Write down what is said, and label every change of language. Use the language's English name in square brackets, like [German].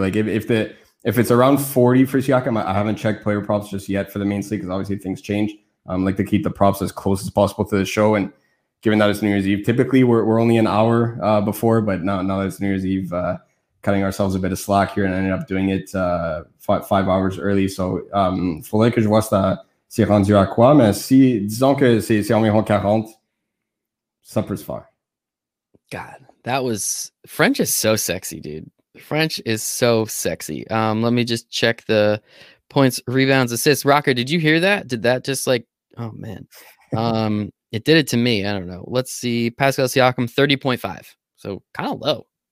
[English] Like, if it's around 40 for Siakam, I haven't checked player props just yet for the main slate, because obviously things change. I like to keep the props as close as possible to the show. And given that it's New Year's Eve, typically we're only an hour before, but now that it's New Year's Eve, cutting ourselves a bit of slack here, and ended up doing it 5 hours early. [French] So, faudrait que je vois ça s'est rendu à quoi, mais si disons que c'est environ 40, supper's far. [English] God, that was French is so sexy, dude. French is so sexy. Let me just check the points, rebounds, assists. Rocker, did you hear that? Did that just like, oh man, it did it to me. I don't know. Let's see, Pascal Siakam 30.5, so kind of low.